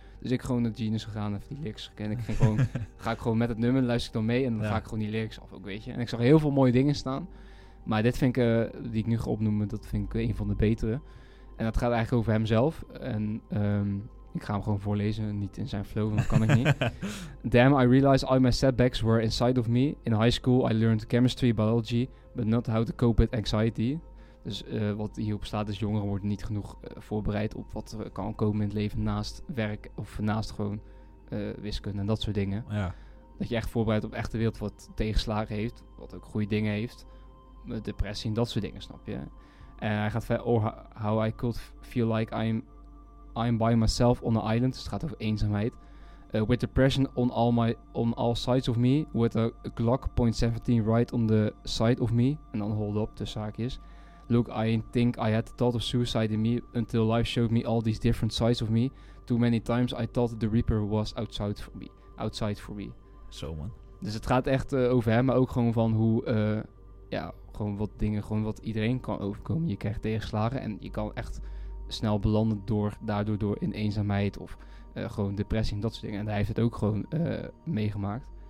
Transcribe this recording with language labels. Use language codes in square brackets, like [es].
[nl] Dus ik gewoon naar Genius gegaan, even die lyrics gekend. Ik ging gewoon, ga ik gewoon met het nummer, luister ik dan mee en dan ga ik gewoon die lyrics af ook, weet je. En ik zag heel veel mooie dingen staan. Maar dit vind ik, die ik nu ga opnoemen, dat vind ik een van de betere. En dat gaat eigenlijk over hemzelf. En... ik ga hem gewoon voorlezen, niet in zijn flow, want dat kan ik niet. [en] Damn, I realized all my setbacks were inside of me. In high school, I learned chemistry, biology, but not how to cope with anxiety. [nl] Dus wat hierop staat is, jongeren worden niet genoeg voorbereid op wat er kan komen in het leven naast werk of naast gewoon wiskunde en dat soort dingen. Ja. Dat je echt voorbereid op echte wereld wat tegenslagen heeft, wat ook goede dingen heeft. Depressie en dat soort dingen, snap je? En hij gaat verder, [en] or how I could feel like I'm by myself on an island. [nl] Dus het gaat over eenzaamheid. [en] With depression on all sides of me. With a Glock .17 right on the side of me. And then hold up, [nl] tussen haakjes. [en] Look, I think I had the thought of suicide in me until life showed me all these different sides of me. Too many times I thought the Reaper was outside for me. [nl] Zo, man. Dus het gaat echt over hem, maar ook gewoon van hoe... gewoon wat dingen, gewoon wat iedereen kan overkomen. Je krijgt tegenslagen en je kan echt... snel belanden daardoor in eenzaamheid of gewoon depressie en dat soort dingen. En hij heeft het ook gewoon meegemaakt.